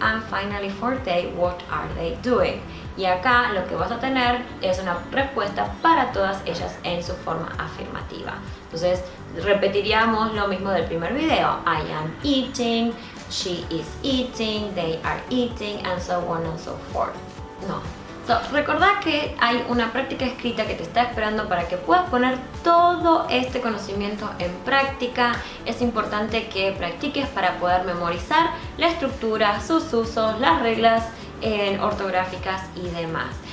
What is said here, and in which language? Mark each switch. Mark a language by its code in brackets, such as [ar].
[en] And finally for they, what are they doing. [es] Y acá lo que vas a tener es una respuesta para todas ellas en su forma afirmativa. Entonces repetiríamos lo mismo del primer video. [en] I am eating, she is eating, they are eating, and so on and so forth. No. [es] So, recordá que hay una práctica escrita que te está esperando para que puedas poner todo este conocimiento en práctica. Es importante que practiques para poder memorizar la estructura, sus usos, las reglas ortográficas y demás.